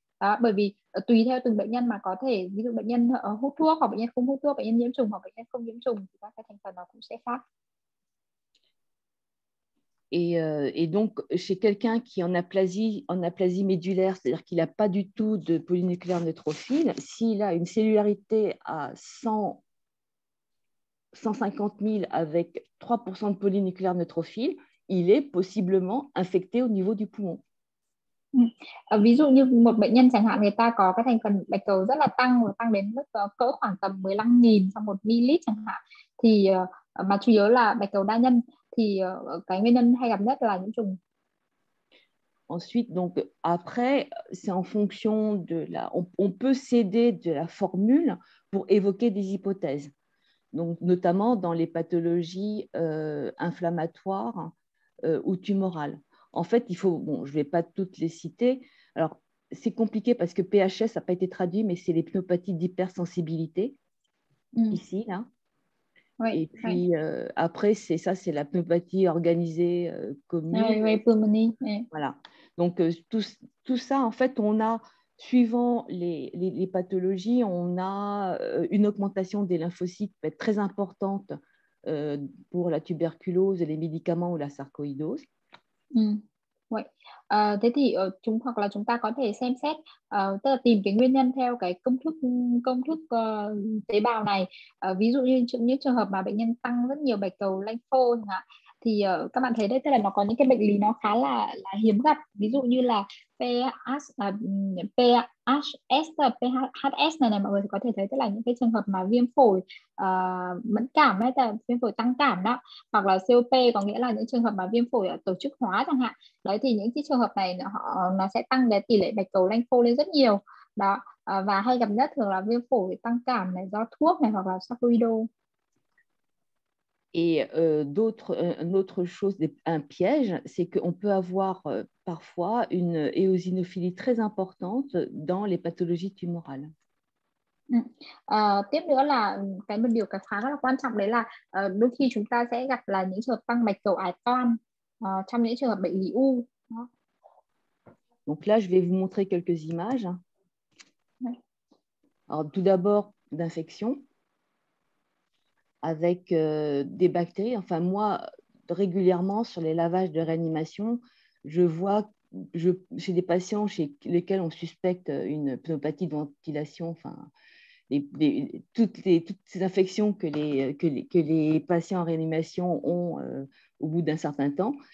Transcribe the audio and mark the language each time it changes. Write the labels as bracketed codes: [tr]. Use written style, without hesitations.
[vi] Đó, bởi vì tùy theo từng bệnh nhân mà có thể, ví dụ bệnh nhân hút thuốc hoặc bệnh nhân không hút thuốc, bệnh nhân nhiễm trùng hoặc bệnh nhân không nhiễm trùng, thì các cái thành phần nó cũng sẽ khác. [fr] Et donc chez quelqu'un qui est en aplasie médulaire, c'est-à-dire qu'il n'a pas du tout de polynucléaire neutrophile, s'il a une cellularité à 100 150 000 avec 3% de polynucléaire neutrophile, il est possiblement infecté au niveau du poumon. Ví dụ như một bệnh nhân chẳng hạn, người ta có cái thành phần bạch cầu rất là tăng, và tăng đến mức cỡ khoảng tầm 15.000 trong một ml chẳng hạn, thì mà chủ yếu là bạch cầu đa nhân, thì cái nguyên nhân hay gặp nhất là nhiễm trùng. Ensuite, donc après, c'est en fonction de la, on peut céder de la formule pour évoquer des hypothèses. Donc notamment dans les pathologies inflammatoires ou tumorales. En fait, il faut, bon, je ne vais pas toutes les citer. Alors, c'est compliqué parce que PHS n'a pas été traduit, mais c'est les pneumopathies d'hypersensibilité, ici, là. Oui, et puis, oui. Après, c'est ça, c'est la pneumopathie organisée commune. Oui, pulmonie. Oui. Voilà. Donc, tout ça, en fait, on a, suivant les pathologies, on a une augmentation des lymphocytes mais très importante pour la tuberculose, les médicaments ou la sarcoïdose. [vi] Vậy thế thì chúng hoặc là chúng ta có thể xem xét, tức là tìm cái nguyên nhân theo cái công thức tế bào này. Ví dụ như những trường hợp mà bệnh nhân tăng rất nhiều bạch cầu lympho thì các bạn thấy đấy, tức là nó có những cái bệnh lý nó khá là hiếm gặp, ví dụ như là pH pHS này này mọi người có thể thấy, tức là những cái trường hợp mà viêm phổi mẫn cảm hay là viêm phổi tăng cảm đó, hoặc là COP có nghĩa là những trường hợp mà viêm phổi ở tổ chức hóa chẳng hạn. Đấy thì những cái trường hợp này nó sẽ tăng cái tỷ lệ bạch cầu lanh khô lên rất nhiều. Đó, và hay gặp nhất thường là viêm phổi tăng cảm này do thuốc này hoặc là sacuido. [fr] Et une autre chose, un piège, c'est qu'on peut avoir parfois une éosinophilie très importante dans les pathologies tumorales. [vi] Tiếp nữa là cái một điều cái khá là quan trọng đấy là đôi khi chúng ta sẽ gặp là những trường hợp tăng bạch cầu ải toan trong những trường hợp bệnh lý u. [fr] Donc là, je vais vous montrer quelques images. Alors, tout d'abord, d'infection. Avec des bactéries. Enfin, moi, régulièrement, sur les lavages de réanimation, je vois chez des patients chez lesquels on suspecte une pneumopathie de ventilation, enfin, toutes ces infections que les patients en réanimation ont au bout d'un certain temps.